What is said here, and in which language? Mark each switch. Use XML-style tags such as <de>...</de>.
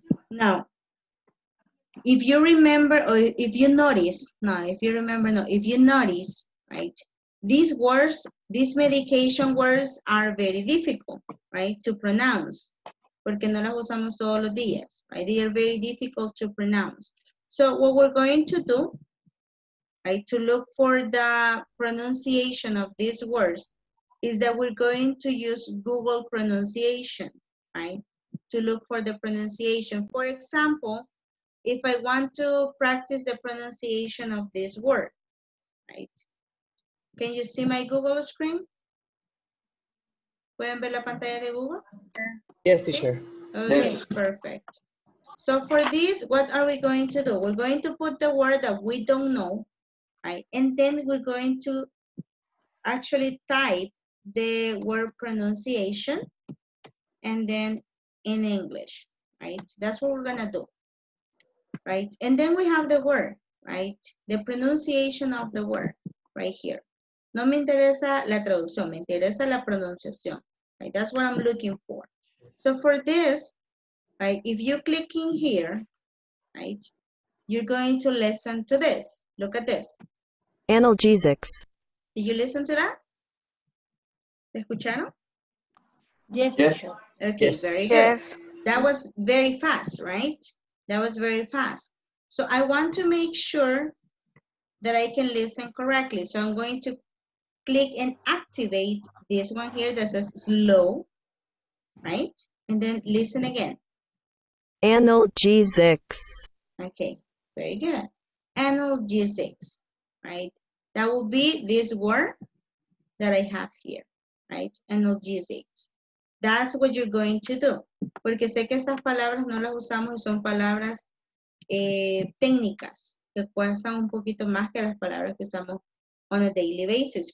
<en>Now, if you remember or if you notice, no, if you remember, no, if you notice, right, these words, these medication words are very difficult, right, to pronounce.</en> <es>Porque no las usamos todos los días, right?</es> <en>They are very difficult to pronounce. So what we're going to do, right, to look for the pronunciation of these words is that we're going to use Google pronunciation, right? To look for the pronunciation. For example, if I want to practice the pronunciation of this word, right? Can you see my Google screen?</en> <es>¿Pueden ver la pantalla de Google?</es> <en>Yes, teacher. Okay, yes. Perfect. So for this, what are we going to do? We're going to put the word that we don't know, right? And then we're going to actually type the word pronunciation and then in English, right? That's what we're gonna do, right? And then we have the word, right? The pronunciation of the word right here.</en> <es>No me interesa la traducción, me interesa la pronunciación, right?</es> <en>That's what I'm looking for. So for this, right, if you click in here, right, you're going to listen to this. Look at this. Analgesics. Did you listen to that?</en> <es>¿Te escucharon?</es> <en>Yes. Yes. Okay, yes. Very good. Yes. That was very fast, right? That was very fast. So I want to make sure that I can listen correctly. So I'm going to click and activate this one here that says slow, right? And then listen again. Analgesics. Okay, very good. Analgesics, right? That will be this word that I have here, right? Analgesics. That's what you're going to do.</en> <es>Porque sé que estas palabras no las usamos y son palabras técnicas que cuestan un poquito más que las palabras que usamos</es> <en>on a daily basis.</en>